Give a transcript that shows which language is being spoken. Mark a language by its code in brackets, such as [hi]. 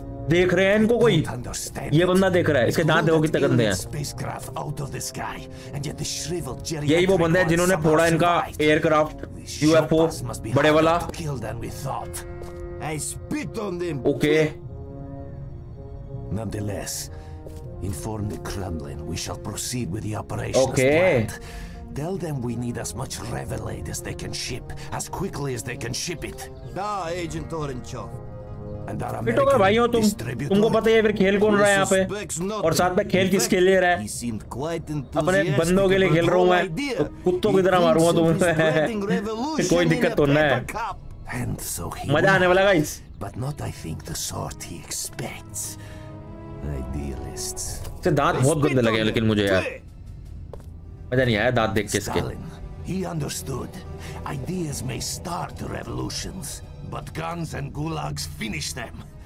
[hi] देख रहे हैं इनको कोई ये बंदा देख रहा है इसके दांत देखो कितने गंदे हैं यही वो बंदा है जिन्होंने फोड़ा इनका एयरक्राफ्ट यूएफओ बड़े वाला okay [en] Nonetheless, inform the Kremlin we shall proceed with the operation as planned. Tell them we need as much Revelade as they can ship, as quickly as they can ship it. Da, Agent Orenchov. And our American distributor, [hi] तुमको पता है फिर खेल कौन रहा है यहाँ पे? और साथ में खेल किसके लिए रहा है? अपने बंदों के लिए खेल रहा हूँ मैं. कुत्तों की तरह मारूंगा तुम्हें. कोई दिक्कत तो नहीं है. मजा आने वाला guys. [en] But not, I think, the sort he expects. Idealists. [hi] से दांत बहुत गंदे लगे हैं लेकिन मुझे यार मजा नहीं आया दांत देख के इसके Stalin, [en] he understood. Ideas may start revolutions, but guns and gulags finish them.